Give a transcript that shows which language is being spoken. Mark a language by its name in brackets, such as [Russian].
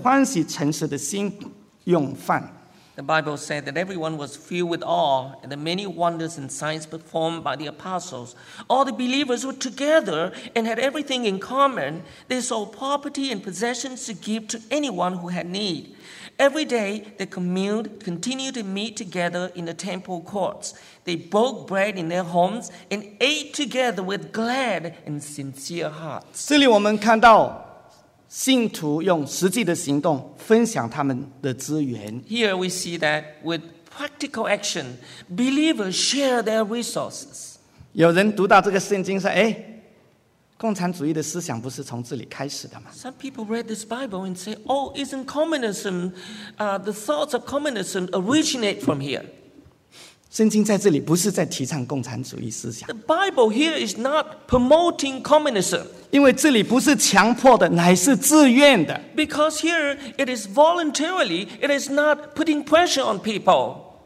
[Chinese] 圣经四十四到四十六说，他们都在一处房屋公用，并且卖了田产家业，照个人所需用的分给个人。他们天天同心合意，恒切在圣殿里，且在家中薄饼，存着欢喜诚实的心，用饭。 [English] The Bible said that everyone was filled with awe, and the many wonders and signs performed by the apostles. All the believers were together and had everything in common. They sold property and possessions to give to anyone who had need. Every day, they communed, continued to meet together in the temple courts. They broke bread in their homes and ate together with glad and sincere hearts. [Chinese] 这里我们看到 信徒用实际的行动分享他们的资源。 [English] Here we see that with practical action, believers share their resources. [Chinese] 有人读到这个圣经说，哎。共产主义的思想不是从这里开始的吗? [English] Some people read this Bible and say, oh, isn't communism, the thoughts of communism originate from here? [Chinese] 圣经在这里不是在提倡共产主义思想。 [English] The Bible here is not promoting communism. [Chinese] 因为这里不是强迫的,乃是自愿的。 [English] Because here it is voluntarily, it is not putting pressure on people.